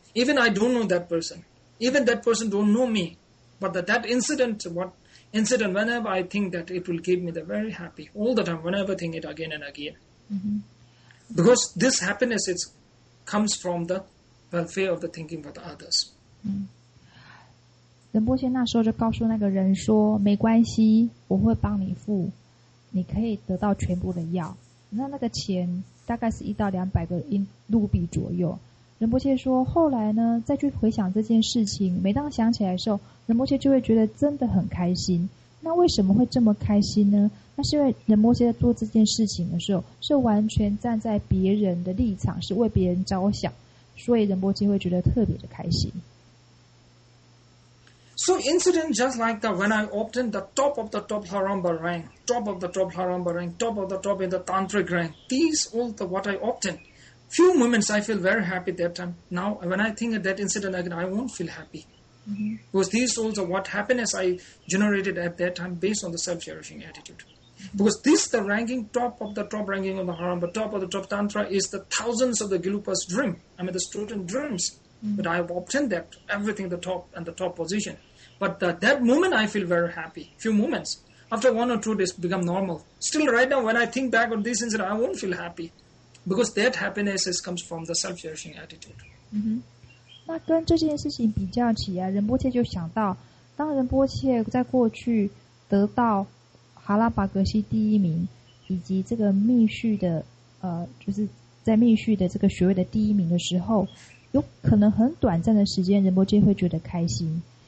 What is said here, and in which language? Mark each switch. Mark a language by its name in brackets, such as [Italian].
[English] Even I don't know that person. Even that person don't know me. But that incident, what... Incident, whenever I think that it will give me the very happy, all the time, whenever I think it again and again.、 Mm-hmm. Because this happiness it comes from the welfare of the thinking about others. [Chinese] 仁波切那时候就告诉那个人说，没关系，我会帮你付，你可以得到全部的药。那个钱大概是一到两百个卢比左右。仁波切说，后来呢，再去回想这件事情，每当想起来的时候，仁波切就会觉得真的很开心。那为什么会这么开心呢？那是因为仁波切在做这件事情的时候，是完全站在别人的立场，是为别人着想，所以仁波切会觉得特别的开心。 [English] So incident just like that when I obtained the top of the top Haramba rank, top of the top Haramba rank, top of the top in the Tantric rank. These all the what I obtained. Few moments I feel very happy that time. Now, when I think of that incident again, I won't feel happy.、 Mm-hmm. Because these also what happiness I generated at that time based on the self-cherishing attitude.、Mm-hmm. Because this, the ranking, top of the top ranking of the Haramba, top of the top Tantra is the thousands of the Gilupa's dream. I mean, the student dreams.、 Mm-hmm. But I have obtained that, everything, the top and the top position. But that moment I feel very happy, few moments. After one or two days, become normal. Still right now, when I think back on this incident, I won't feel happy. Because that happiness is comes from the self-cherishing attitude. [Chinese] 那跟这件事情比较起来，仁波切就想到，当仁波切在过去得到哈拉巴格西第一名，以及这个密续的就是在密续的这个学位的第一名的时候，有可能很短暂的时间，仁波切会觉得开心。